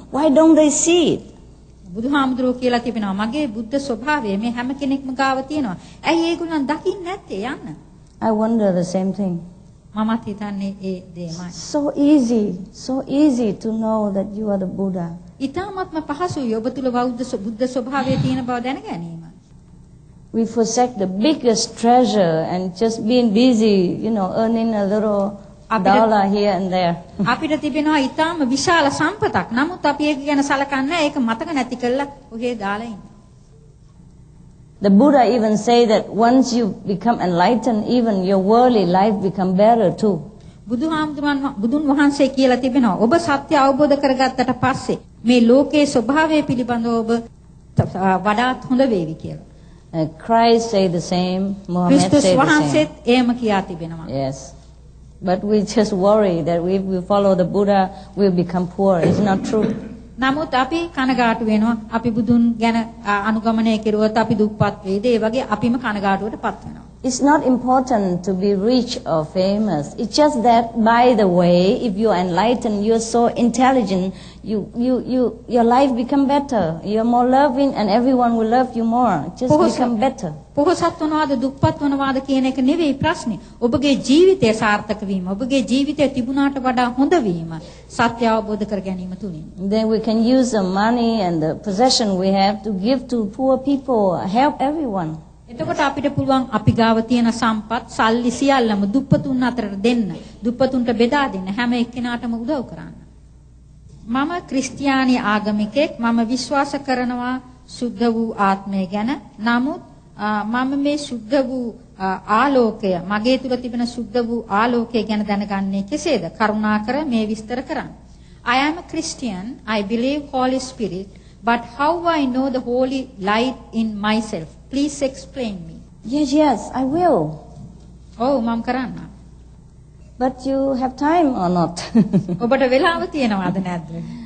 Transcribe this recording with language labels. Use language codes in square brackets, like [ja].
[en] Why don't they see it?" [si] බුදුහාමුදුරුවෝ කියලා තිබෙනවා මගේ බුද්ධ ස්වභාවය මේ හැම කෙනෙක්ම ගාව තියෙනවා. ඇයි ඒගොල්ලන් දකින්නේ නැත්තේ යන්න? [en] I wonder the same thing. [si] මමත් හිතන්නේ ඒ දෙයමයි. [en] So easy to know that you are the Buddha. [si] ඉතාමත්ම පහසුයි ඔබ තුල බුද්ධ ස්වභාවය තියෙන බව දැන ගැනීම. [en] We forsake the biggest treasure and just being busy, you know, earning a little dollar here and there. [si] අපිට තිබෙනවා ඉතාම විශාල සම්පතක්. නමුත් අපි ඒක ගැන සලකන්නේ ඒක මතක නැති කරලා ඔහේ දාලා ඉන්න. [en] The Buddha even say that once you become enlightened, even your worldly life become better too. [si] බුදුන් වහන්සේ කියලා තිබෙනවා ඔබ සත්‍ය අවබෝධ කරගත්තට පස්සේ මේ ලෝකයේ ස්වභාවය පිළිබඳව ඔබ වඩාත් හොඳ වේවි කියලා. [en] Christ say the same, Muhammad say the same. [si] ක්‍රිස්තුස් වහන්සේත් එහෙම කියා තිබෙනවා. [en] Yes. But we just worry that if we follow the Buddha, we'll become poor. It's not true. [si] නමුත් අපි කනගාටු වෙනවා. අපි බුදුන් ගැන අනුගමනය කෙරුවොත් අපි දුක්පත් වෙයිද? ඒ වගේ අපිම කනගාටුවට පත් වෙනවා. [en] It's not important to be rich or famous. It's just that, by the way, if you're enlightened, you're so intelligent, your life become better. You're more loving and everyone will love you more. Just become better. [si] පොහොසත් වෙනවාද දුක්පත් වෙනවාද කියන එක නෙවෙයි ප්‍රශ්නේ. ඔබගේ ජීවිතය සාර්ථක වීම, ඔබගේ ජීවිතය තිබුණාට වඩා හොඳ වීම සත්‍ය අවබෝධ කර ගැනීම තුලින්. [en] Then we can use the money and the possession we have to give to poor people, help everyone. [si] එතකොට අපිට පුළුවන් අපි ගාව තියෙන සම්පත් සල්ලි සියල්ලම දුප්පතුන් අතර දෙන්න, දුප්පතුන්ට බෙදා දෙන්න, හැම එක්කෙනාටම උදව් කරන්න. මම ක්‍රිස්තියානි ආගමිකෙක්. මම විශ්වාස කරනවා සුද්ධ වූ ආත්මය ගැන. නමුත් මම මේ සුද්ධ වූ ආලෝකය, මගේ තුල තිබෙන සුද්ධ වූ ආලෝකය ගැන දැනගන්නේ කෙසේද? කරුණාකර මේ විස්තර කරන්න. [en] I am a Christian. I believe Holy Spirit. But how I know the holy light in myself? Please explain me. Yes, I will. [si] Oh, mam karanna. [en] But you have time or not? [si] Obata welawa thiyenawada nadda?